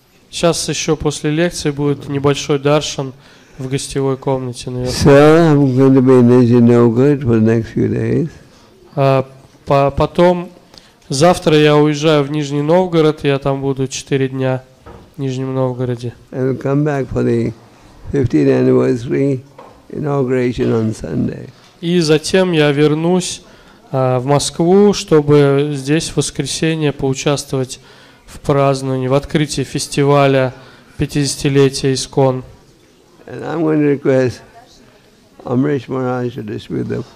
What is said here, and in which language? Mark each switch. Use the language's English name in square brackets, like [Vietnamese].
[Russian] Сейчас еще после лекции будет небольшой даршан в гостевой комнате, наверное. Потом, завтра я уезжаю в Нижний Новгород, я там буду 4 дня. В Нижнем Новгороде. [English] And we'll come back for the 15th anniversary inauguration on Sunday. [Russian] И затем я вернусь в Москву, чтобы здесь в воскресенье поучаствовать в праздновании, в открытии фестиваля 50-летия ИСКОН. [English] And I'm going to request Amrish Maharaj to distribute them.